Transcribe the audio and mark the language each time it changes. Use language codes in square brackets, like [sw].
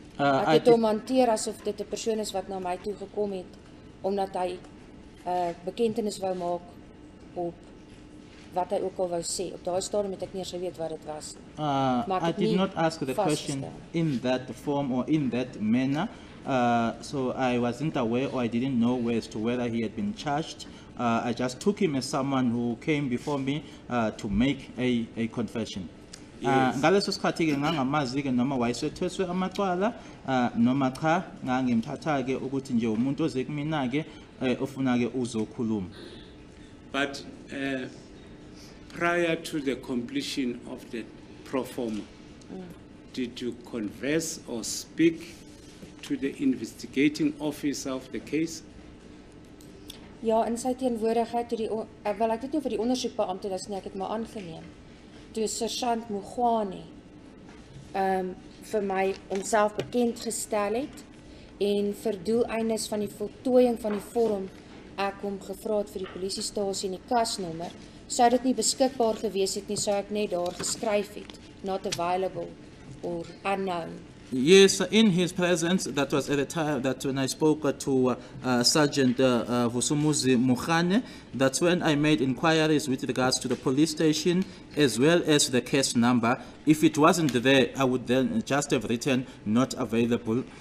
[af] Ek het hom hanteer asof dit 'n persoon is wat na my toe gekom het omdat hy bekentenis wou maak op wat hy ook al wou sê. Op daai stadium het ek nie geweet wat dit was. [en] I did not ask the question in that form or in that manner. So I wasn't aware, or I didn't know as to whether he had been charged. I just took him as someone who came before me to make a confession. [zu] Ngaleso sikhathi ke ngangamazi ke noma wayesethweswe amacwala noma cha ngangimthatha ke ukuthi nje umuntu oze kumina ke ofuna ke uzokhuluma. [en] But prior to the completion of the pro forma, did you converse or speak to the investigating officer of the case? [af] Ja, in sy teenwoordigheid toe die wel ek weet nie vir die ondersoekbeampte dis nie, ek het my aangeneem. Toe Sergeant Mogwane vir my homself bekend gestel het en vir doeleindes van die voltooiing van die vorm ek hom gevra het vir die polisiestasie en die kasnommer, sou dit nie beskikbaar gewees het nie, sou ek net daar geskryf het [en] not available or unknown. Yes, in his presence, that was at the time that when I spoke to Sergeant Vusumuzi Mukhane, that's when I made inquiries with regards to the police station as well as the case number. If it wasn't there, I would then just have written not available.